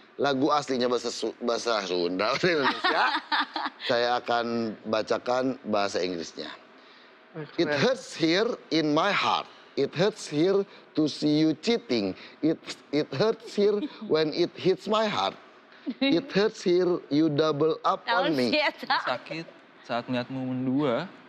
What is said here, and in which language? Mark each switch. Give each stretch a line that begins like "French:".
Indonesian: Lagu aslinya bahasa Sunda dari Indonesia. Saya akan bacakan bahasa Inggrisnya.
English: It hurts here in my heart. It hurts here to see you cheating. It hurts here when it hits my heart. It hurts here you double up on me.
Indonesian: Sakit saat melihatmu mendua.